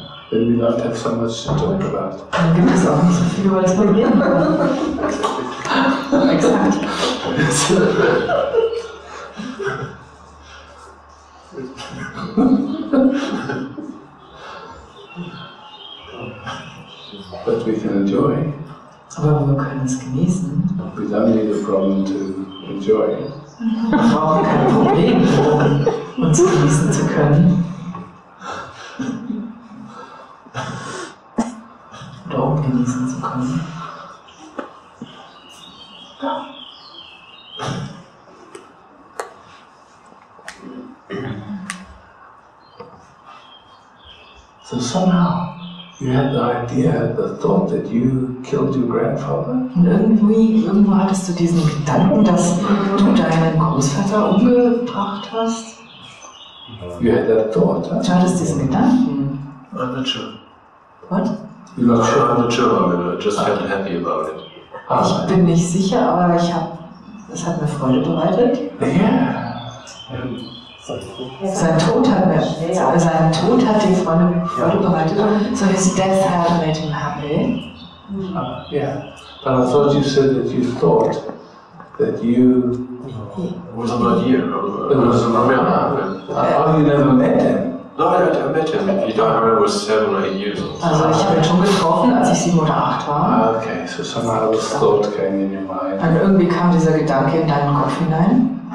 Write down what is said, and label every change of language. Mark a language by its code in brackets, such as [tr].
[en] Then we don't have so much to talk about. [de] Dann gibt es auch nicht so viel über das Problem. Exakt. [en] But we can enjoy. [de] Aber wir können es genießen. [en] We don't need a problem to enjoy. [de] Wir brauchen kein Problem, um uns genießen zu können. Oder um genießen zu können. [en] So somehow. You had the idea, the thought that you killed your grandfather? [de] Und irgendwo hattest du diesen Gedanken, dass du deinen Großvater umgebracht hast? [en] You had that thought, huh? [de] Du hattest diesen Gedanken. [en] I'm not sure. What? You're not sure? I'm not sure, I mean, I just felt happy about it. [de] Ich bin nicht sicher, aber es hat mir Freude bereitet. [en] Yeah. [de] Sein Tod hat die Freunde Freude bereitet. [en] So his death had made him happy. But I thought you said that you thought that you was about a year. It was about a year. Oh, you never met him? No, I met him. He died when I was 7 or 8 years old. [de] Also ich habe ihn schon getroffen, als ich 7 oder 8 war. [en] Okay, so somehow this thought came in your mind. [de] Und irgendwie kam dieser Gedanke in deinen Kopf hinein.